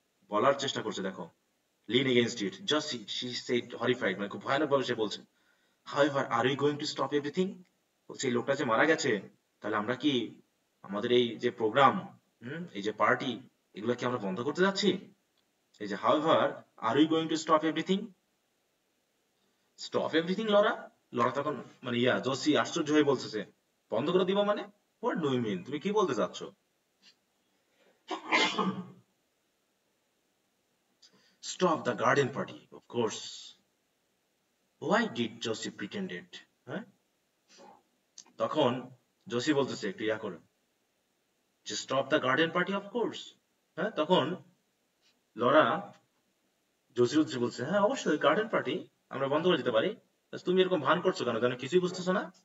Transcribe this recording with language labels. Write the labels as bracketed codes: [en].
[bn] বলার চেষ্টা করছে দেখো [en] lean against it just she said horrified [bn] মানে খুব ভয়ানক ভাবে সে বলছে [en] however are we going to stop everything, [bn] বলছে এই লোকটা যে মারা গেছে তাহলে আমরা কি আমাদের এই যে প্রোগ্রাম এই যে পার্টি এগুলো কি আমরা বন্ধ করতে যাচ্ছি, এই যে however are we going to stop everything, stop everything Laura, Laura তখন মানে ইয়া জসি আশ্চর্য হয়ে বলছে বন্ধ করে দিব মানে [en] what do you mean [bn] তুমি কি বলতে চাচ্ছো, [en] Stop the garden party, of course. Why did Joseph pretend it? [bn] তখন জোসি বলতেছে একটু ইয়া করে যে [en] Stop the garden party of course. [bn] হ্যাঁ তখন লরা জোসির উদ্দেশ্যে বলছে হ্যাঁ অবশ্যই গার্ডেন পার্টি আমরা বন্ধ করে দিতে পারি, তুমি এরকম ভান করছো কেন, তুমি কিছুই বুঝতেছো না।